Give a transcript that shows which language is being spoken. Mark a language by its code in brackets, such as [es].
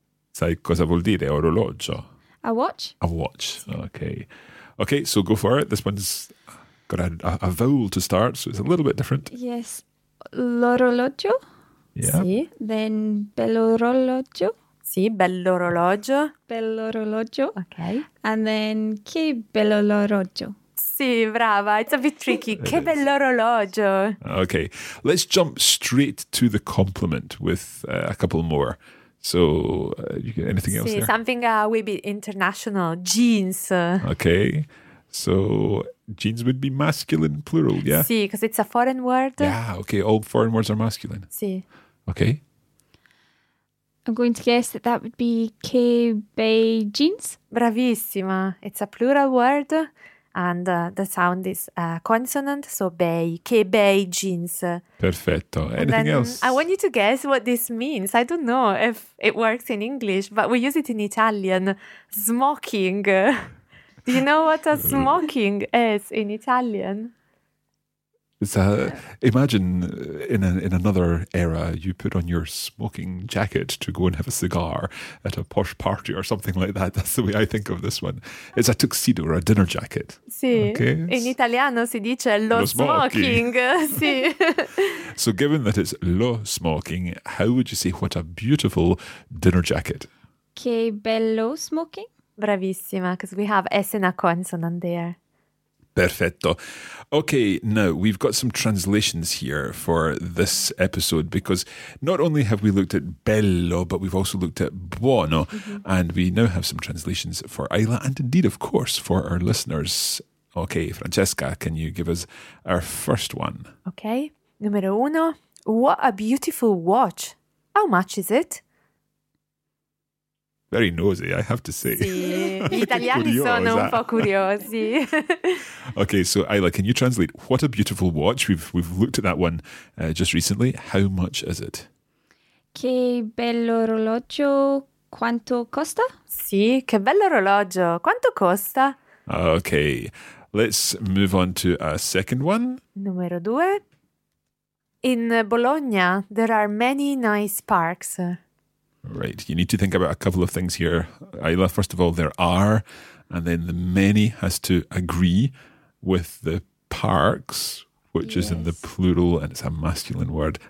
[it] Sai cosa vuol dire orologio? [en] A watch? A watch. Okay. Okay, so go for it. This one's got a vowel to start, so it's a little bit different. [it] Yes. L'orologio? [en] Yeah. [it] Sí. [en] Then [it] bell'orologio? Sí, bell'orologio. Bell'orologio. [en] Okay. And then [it] che bell'orologio? Sí, brava. [en] It's a bit tricky. [it] Che bell'orologio. [en] Okay. Let's jump straight to the compliment with a couple more. So, you get anything else? See, something a wee bit international. Jeans. Okay. So, jeans would be masculine plural, yeah? See, because it's a foreign word. Yeah, okay. All foreign words are masculine. See. Okay. I'm going to guess that that would be que be jeans. [it] Bravissima. [en] It's a plural word and the sound is a consonant. So, be, que be jeans. [it] Perfetto. [en] Anything else? I want you to guess what this means. I don't know if it works in English, but we use it in Italian. Smoking. Do you know what a smoking is in Italian? It's a, imagine in another era, you put on your smoking jacket to go and have a cigar at a posh party or something like that. That's the way I think of this one. It's a tuxedo or a dinner jacket. [it] Sì. [en] Okay. [it] In italiano si dice lo smoking. Sì. [en] So given that it's lo smoking, how would you say what a beautiful dinner jacket? [it] Che bello smoking. Bravissima, [en] because we have S and a consonant there. [it] Perfetto. [en] Okay, now we've got some translations here for this episode because not only have we looked at bello, but we've also looked at buono. Mm-hmm. And we now have some translations for Ayla and indeed, of course, for our listeners. Okay, Francesca, can you give us our first one? Okay, [it] numero uno. [en] What a beautiful watch. How much is it? Very nosy, I have to say. [it] Sì. Gli italiani sono un po' curiosi. [en] Okay, so Ayla, can you translate? What a beautiful watch. We've looked at that one just recently. How much is it? [it] Che bello orologio, quanto costa? Sì, che bello orologio, quanto costa? [en] Okay, let's move on to a second one. [it] Numero due. [en] In Bologna, there are many nice parks. Right. You need to think about a couple of things here, Ayla. First of all, there are, and then the many has to agree with the parks, which yes. is in the plural and it's a masculine word.